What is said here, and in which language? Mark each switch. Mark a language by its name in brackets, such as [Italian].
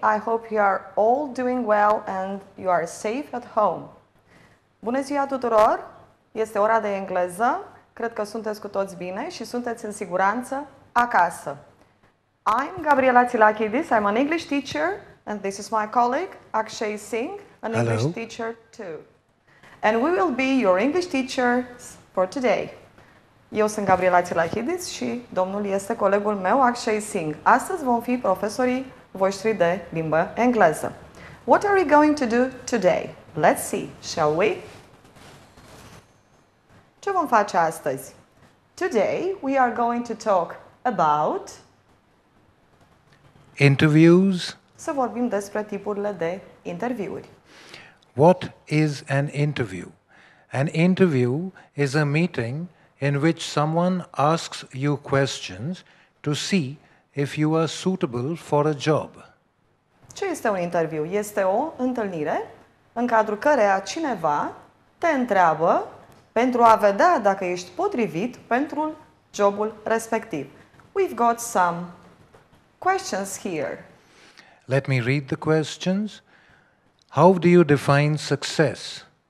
[English] I hope you are all doing well and you are safe at home. [Romanian] Bună ziua tuturor! Este ora de engleză. Cred că sunteți cu toți bine și sunteți în siguranță acasă. [English] I'm Galați-Brăila. I'm an English teacher and this is my colleague Akshay Singh, an Hello. English teacher too. And we will be your English teachers for today. [Romanian] Eu sunt Gabriela Tilahidis și domnul este colegul meu, Akshay Singh. Astăzi vom fi profesorii voștri de limbă engleză. [English] What are we going to do today? Let's see, shall we? [Romanian] Ce vom face astăzi? [English] Today we are going to talk about... interviews. [Romanian] Să vorbim despre tipurile de interviuri. [English] What is an interview? An interview is a meeting in which someone asks you questions to see if you are suitable for a job. [Romanian] Ce este un interviu? Este o întâlnire în cadrul căreia cineva te întreabă pentru a vedea dacă ești potrivit pentru jobul respectiv. [English] We've got some questions here. Let me read the questions. How do you define success?